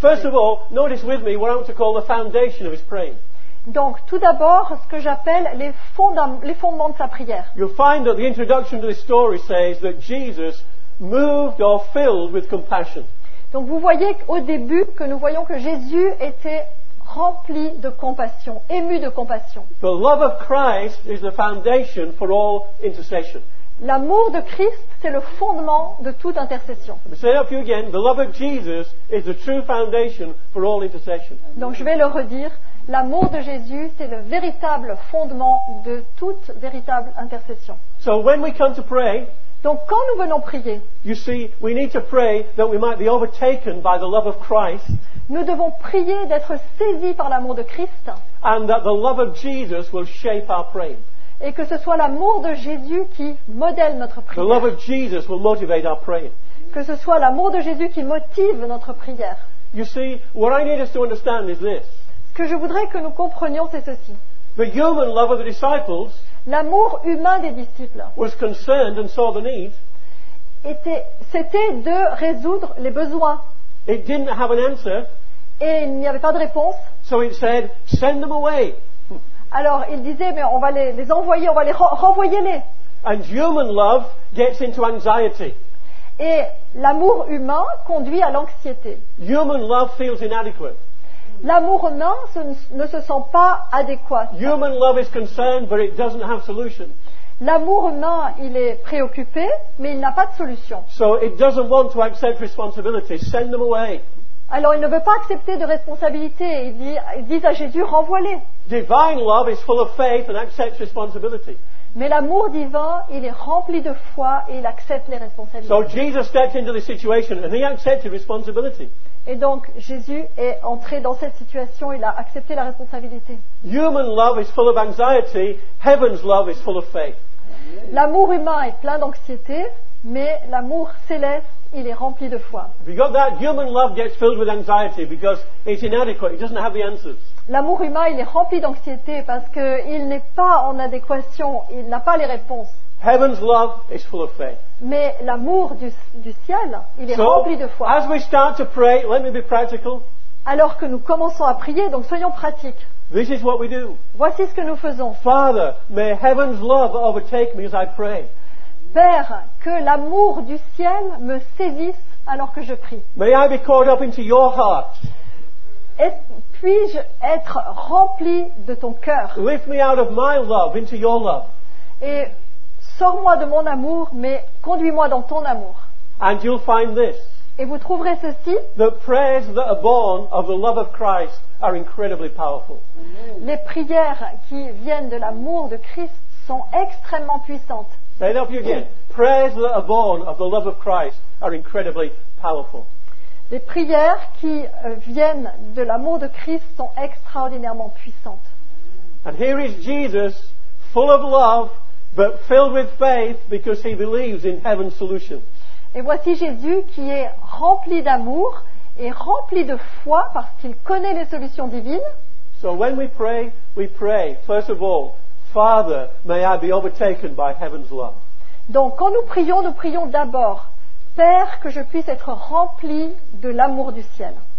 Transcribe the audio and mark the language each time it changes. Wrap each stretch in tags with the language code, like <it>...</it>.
<en>First of all, notice with me what I want to call the foundation of his praying.</en> <fr>Donc, tout d'abord, ce que j'appelle les fondements de sa prière.</fr> <en>You'll find that the introduction to this story says that Jesus moved or filled with compassion.</en> <fr>Donc, vous voyez au début que nous voyons que Jésus était rempli de compassion, ému de compassion.</fr> <en>The love of Christ is the foundation for all intercession.</en> <fr>L'amour de Christ, c'est le fondement de toute intercession.</fr> <en>I'll say it up to you again. The love of Jesus is the true foundation for all intercession.</en> <fr>Donc, je vais le redire. L'amour de Jésus, c'est le véritable fondement de toute véritable intercession.</fr> <en>So when we come to pray,</en> <fr>donc quand nous venons prier,</fr> <en>you see, we need to pray that we might be overtaken by the love of Christ.</en> <fr>Nous devons prier d'être saisis par l'amour de Christ.</fr> <en>And that the love of Jesus will shape our praying.</en> <fr>Et que ce soit l'amour de Jésus qui modèle notre prière.</fr> <en>The love of Jesus will motivate our praying.</en> <fr>Que ce soit l'amour de Jésus qui motive notre prière.</fr> <en>You see, what I need us to understand is this.</en> <fr>Ce que je voudrais que nous comprenions, c'est ceci.</fr> <en>The human love of the disciples,</en> <fr>l'amour humain des disciples,</fr> <en>was concerned and saw the need.</en> <fr>C'était de résoudre les besoins.</fr> <en>It didn't have an answer.</en> <fr>Et il n'y avait pas de réponse.</fr> <en>So it said, send them away.</en> <fr>Alors il disait, mais on va les envoyer, on va les renvoyer-les.</fr> <en>And human love gets into anxiety.</en> <fr>Et l'amour humain conduit à l'anxiété.</fr> <en>Human love feels inadequate.</en> <fr>L'amour humain ne se sent pas adéquat.</fr> <en>Human love is concerned, but it doesn't have solution.</en> <fr>L'amour humain, il est préoccupé, mais il n'a pas de solution.</fr> <en>So it doesn't want to accept responsibility. Send them away.</en> <fr>Alors il ne veut pas accepter de responsabilité. Il dit à Jésus, renvoie-les.</fr> <en>Divine love is full of faith and accepts responsibility.</en> <fr>Mais l'amour divin, il est rempli de foi et il accepte les responsabilités.</fr> <en>So Jesus stepped into the situation and he accepted responsibility.</en> <fr>Et donc Jésus est entré dans cette situation, il a accepté la responsabilité.</fr> <en>Human love is full of anxiety, heaven's love is full of faith.</en> <fr>L'amour humain est plein d'anxiété, mais l'amour céleste, il est rempli de foi.</fr> <en>If you got that, human love gets filled with anxiety because it's inadequate, it doesn't have the answers.</en> <fr>L'amour humain, il est rempli d'anxiété parce qu'il n'est pas en adéquation, il n'a pas les réponses.</fr> <en>Heaven's love is full of faith.</en> <fr>Mais l'amour du ciel, il est so, rempli de foi.</fr> <en>As we start to pray, let me be practical.</en> <fr>Alors que nous commençons à prier, donc soyons pratiques.</fr> <en>This is what we do.</en> <fr>Voici ce que nous faisons.</fr> <en>Father, may heaven's love overtake me as I pray.</en> <fr>Père, que l'amour du ciel me saisisse alors que je prie.</fr> <en>May I be caught up into your heart.</en> <fr>Puis-je être rempli de ton cœur?</fr> <en>Lift me out of my love into your love.</en> <fr>Et sors-moi de mon amour, mais conduis-moi dans ton amour.</fr> <en>And you'll find this.</en> <fr>Et vous trouverez ceci.</fr> <en>The prayers that are born of the love of Christ are incredibly powerful.</en> <fr>Les prières qui viennent de l'amour de Christ sont extrêmement puissantes.</fr> <en>Say it up again. Prayers that are born of the love of Christ are incredibly powerful.</en> <fr>Les prières qui viennent de l'amour de Christ sont extraordinairement puissantes.</fr> <en>And here is Jesus, full of love, but filled with faith because he believes in heaven's solution.</en> <fr>Et voici Jésus qui est rempli d'amour et rempli de foi parce qu'il connaît les solutions divines.</fr> <en>So when we pray, first of all, Father, may I be overtaken by heaven's love.</en> <fr>Donc quand nous prions d'abord, J'espère que je puisse être rempli de l'amour du ciel.</fr>